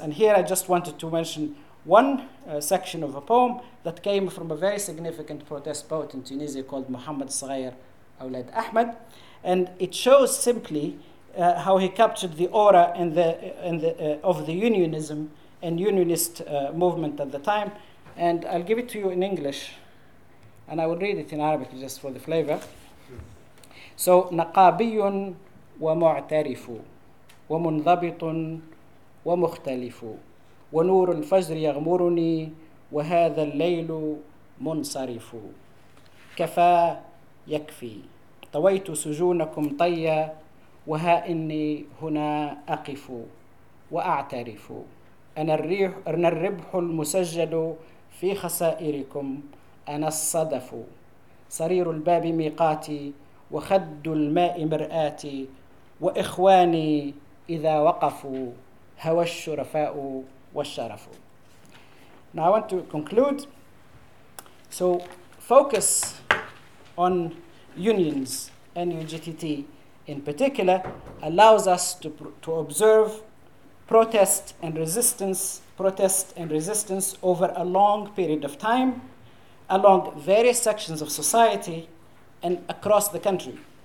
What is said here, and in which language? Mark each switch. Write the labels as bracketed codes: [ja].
[en] And here I just wanted to mention one section of a poem that came from a very significant protest poet in Tunisia called Mohamed Sghair Awlad Ahmed. And it shows simply how he captured the aura of the unionism and unionist movement at the time. And I'll give it to you in English, and I will read it in Arabic just for the flavor. [ar] So, نقابي ومعترف ومنضبط ومختلف ونور الفجر يغمرني وهذا الليل منصرف كفى يكفي طويت سجونكم طيا وها إني هنا أقف وأعترف أنا الربح المسجل في خسائركم أنا الصدف صرير الباب ميقاتي وخد الماء مرآتي وإخواني إذا وقفوا هوى الشرفاء والشرف. [en] Now I want to conclude. So focus on unions and UGTT in particular allows us to observe protest and resistance over a long period of time, along various sections of society, and across the country.